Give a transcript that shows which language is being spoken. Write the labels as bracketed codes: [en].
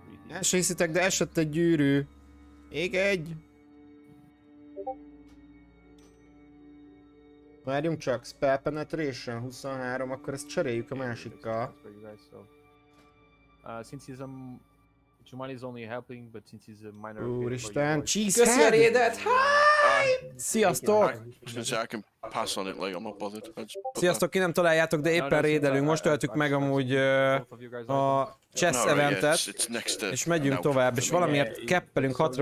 [hu] Yeah, Shahis attack, de esett egy gyűrű. Ég egy. Várjunk csak, spell penetration 23, akkor ezt cseréljük a másikkal. [en] Since he's a... Jumali is only helping, but since he's a minor... [hu] Úristen, cheese head! Köszi a rédet, hi! Sziasztok! [en] Since I can pass on it, like I'm not bothered. [hu] Sziasztok, ki nem találjátok, de éppen rédelünk. Most töltük meg amúgy a chess eventet, és megyünk tovább, és valamiért keppelünk hatra.